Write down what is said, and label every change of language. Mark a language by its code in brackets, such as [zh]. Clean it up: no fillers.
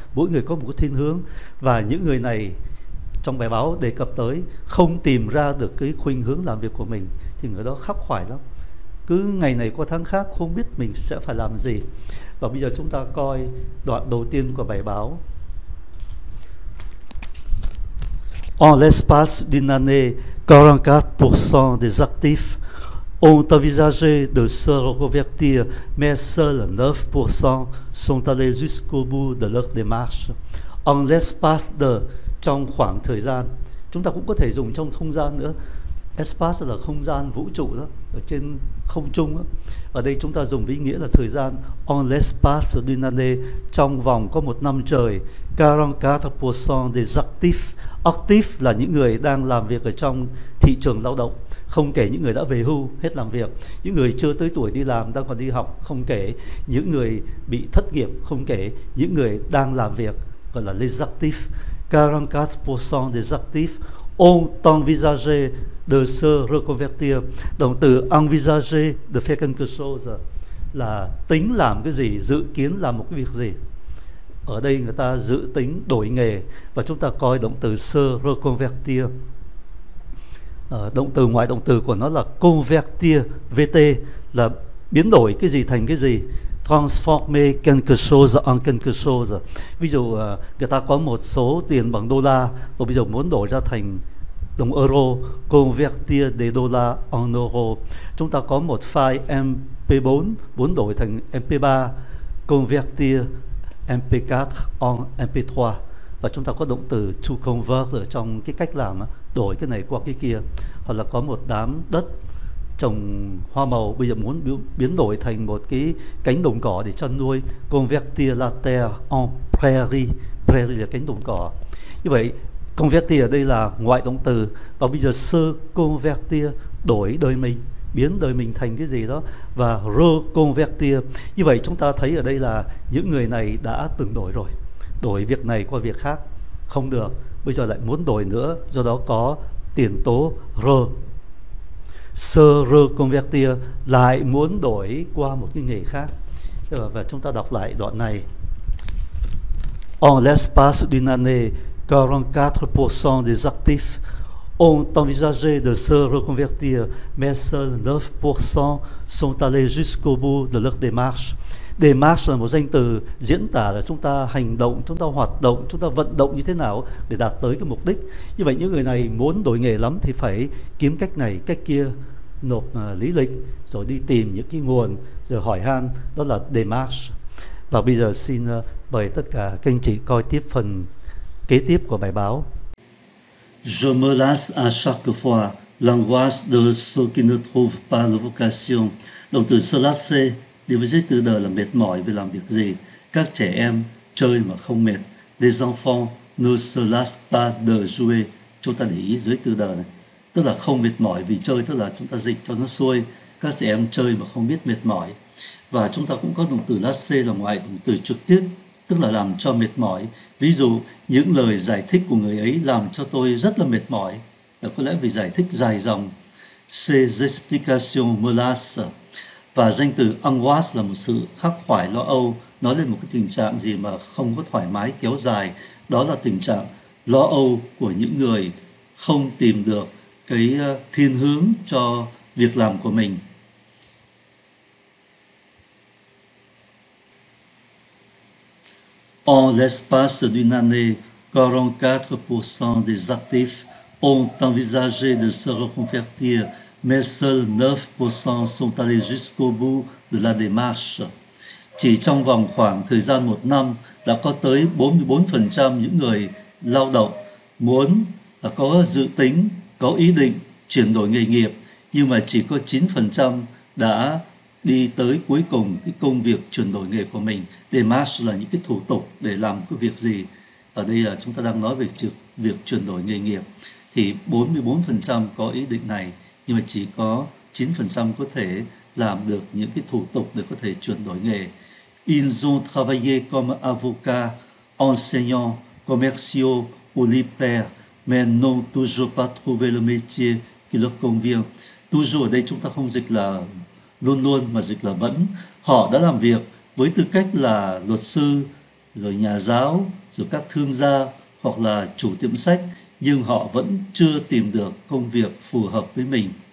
[vi] Mỗi người có một cái thiên hướng. Và những người này trong bài báo đề cập tới không tìm ra được cái khuynh hướng làm việc của mình thì người đó khắc khoải lắm. Cứ ngày này qua tháng khác không biết mình sẽ phải làm gì. Và bây giờ chúng ta coi đoạn đầu tiên của bài báo. [fr] En l'espace d'une année, 44% des actifs ont envisagé de se reconvertir, mais seuls 9% sont allés jusqu'au bout de leur démarche. En l'espace de, [vi] trong khoảng thời gian, chúng ta cũng có thể dùng trong không gian nữa. Espace là không gian vũ trụ đó, ở trên không trung đó. Ở đây chúng ta dùng với ý nghĩa là thời gian. [fr] En l'espace d'une année, [vi] trong vòng có một năm trời, [fr] 44% des actifs. [vi] Active là những người đang làm việc ở trong thị trường lao động, không kể những người đã về hưu, hết làm việc, những người chưa tới tuổi đi làm, đang còn đi học, không kể những người bị thất nghiệp, không kể những người đang làm việc, gọi là [fr] les actifs. 44% des actifs ont envisagé de se reconvertir. [vi] Động từ [fr] envisagé de faire quelque chose [vi] là tính làm cái gì, dự kiến làm một cái việc gì. Ở đây người ta dự tính đổi nghề. Và chúng ta coi động từ [fr] se reconvertir. [vi] Động từ ngoại động từ của nó là convertir, VT là biến đổi cái gì thành cái gì. [fr] Transformer quelque chose en quelque chose. [vi] Ví dụ người ta có một số tiền bằng đô la và bây giờ muốn đổi ra thành đồng euro. [fr] Convertir des dollars en euro. [vi] Chúng ta có một file MP4 muốn đổi thành MP3. Convertir [fr] MP4 on MP3, [vi] và chúng ta có động từ [en] to convert [vi] ở trong cái cách làm đổi cái này qua cái kia. Hoặc là có một đám đất trồng hoa màu, bây giờ muốn biến đổi thành một cái cánh đồng cỏ để chăn nuôi, [fr] convertir la terre en prairie, [vi] prairie là cánh đồng cỏ. Như vậy convertir ở đây là ngoại động từ, và bây giờ sơ convertir đổi đời mình, biến đời mình thành cái gì đó, và reconvertir. Như vậy chúng ta thấy ở đây là những người này đã từng đổi rồi, đổi việc này qua việc khác không được, bây giờ lại muốn đổi nữa, do đó có tiền tố re. Sơ reconvertir lại muốn đổi qua một cái nghề khác. Và chúng ta đọc lại đoạn này. [fr] En l'espace d'une année, 44% des actifs ont envisagé de se reconvertir, mais seuls 9% sont allés jusqu'au bout de leur démarche. [vi] Démarche là một danh từ diễn tả là chúng ta hành động, chúng ta hoạt động, chúng ta vận động như thế nào để đạt tới cái mục đích. Như vậy những người này muốn đổi nghề lắm thì phải kiếm cách này, cách kia, nộp lý lịch, rồi đi tìm những cái nguồn, rồi hỏi han, đó là démarche. Và bây giờ xin mời tất cả các anh chị coi tiếp phần kế tiếp của bài báo. [fr] Je me lasse à chaque fois, l'angoisse de ceux qui ne trouvent pas la vocation. [vi] Động từ [fr] se lasser, [vi] đi với giới từ đời là mệt mỏi vì làm việc gì. Các trẻ em chơi mà không mệt. [fr] Les enfants ne se lassent pas de jouer. [vi] Chúng ta để ý giới từ đời này. Tức là không mệt mỏi vì chơi, tức là chúng ta dịch cho nó xuôi. Các trẻ em chơi mà không biết mệt mỏi. Và chúng ta cũng có động từ lasser là ngoại động từ trực tiếp, tức là làm cho mệt mỏi. Ví dụ, những lời giải thích của người ấy làm cho tôi rất là mệt mỏi. Có lẽ vì giải thích dài dòng. [fr] Ces explications me lassent. [vi] Và danh từ angoisse là một sự khắc khoải lo âu, nói lên một cái tình trạng gì mà không có thoải mái kéo dài. Đó là tình trạng lo âu của những người không tìm được cái thiên hướng cho việc làm của mình. [fr] En l'espace d'une année, 44% des actifs ont envisagé de se reconvertir, mais seuls 9% sont allés jusqu'au bout de la démarche. [vi] Chỉ trong vòng khoảng thời gian một năm đã có tới 44% những người lao động muốn có dự tính, có ý định chuyển đổi nghề nghiệp, nhưng mà chỉ có 9% đã đi tới cuối cùng cái công việc chuyển đổi nghề của mình. Démarche là những cái thủ tục để làm cái việc gì. Ở đây là chúng ta đang nói về việc chuyển đổi nghề nghiệp. Thì 44% có ý định này, nhưng mà chỉ có 9% có thể làm được những cái thủ tục để có thể chuyển đổi nghề. [fr] Ils ont travaillé comme avocat, enseignant, commerciaux ou libraire, mais n'ont toujours pas trouvé le métier qui leur convient. [vi] Toujours ở đây chúng ta không dịch là luôn luôn, mà dịch là vẫn. Họ đã làm việc với tư cách là luật sư, rồi nhà giáo, rồi các thương gia, hoặc là chủ tiệm sách, nhưng họ vẫn chưa tìm được công việc phù hợp với mình.